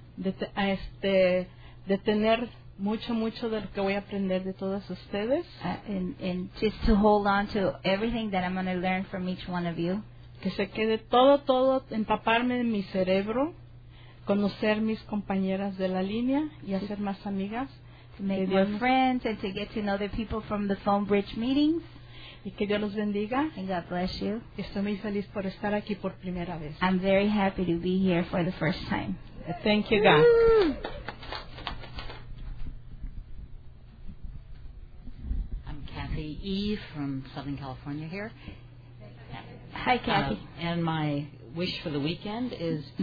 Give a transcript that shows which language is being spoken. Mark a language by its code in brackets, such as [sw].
[es] De tener mucho de lo que voy a aprender de todas ustedes. [en] And just to hold on to everything that I'm going to learn from each one of you. [es] Que se quede todo, empaparme en mi cerebro, conocer mis compañeras de la línea y hacer más amigas. [en] To make more friends and to get to know the people from the phone bridge meetings. [es] Y que Dios los bendiga. [en] And God bless you. [es] Estoy muy feliz por estar aquí por primera vez. [en] I'm very happy to be here for the first time. Thank you, God. I'm Kathy E. from Southern California here. Hi, Kathy. And my wish for the weekend is to